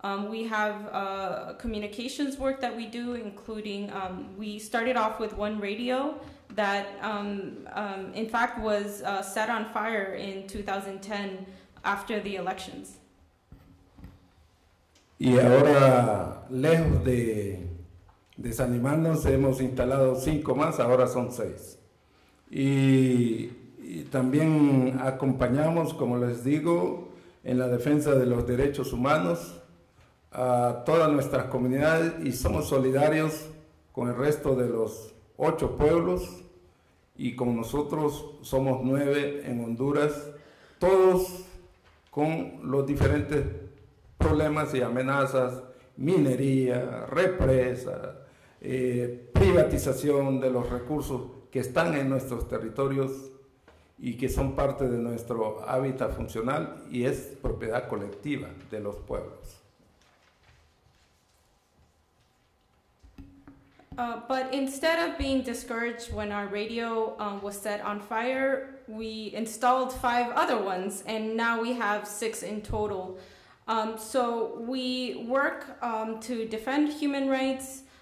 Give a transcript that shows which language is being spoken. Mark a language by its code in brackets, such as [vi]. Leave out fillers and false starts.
[en] We have communications work that we do, including we started off with one radio that in fact was set on fire in 2010 after the elections. [es] Y ahora, lejos de desanimarnos, hemos instalado 5 más, ahora son 6. Y también acompañamos, como les digo, en la defensa de los derechos humanos a todas nuestras comunidades y somos solidarios con el resto de los 8 pueblos y con nosotros somos 9 en Honduras, todos con los diferentes problemas y amenazas, minería, represa, privatización de los recursos que están en nuestros territorios y que son parte de nuestro hábitat funcional y es propiedad colectiva de los pueblos. [en] But instead of being discouraged when our radio was set on fire, we installed 5 other ones, and now we have 6 in total. So we work to defend human rights.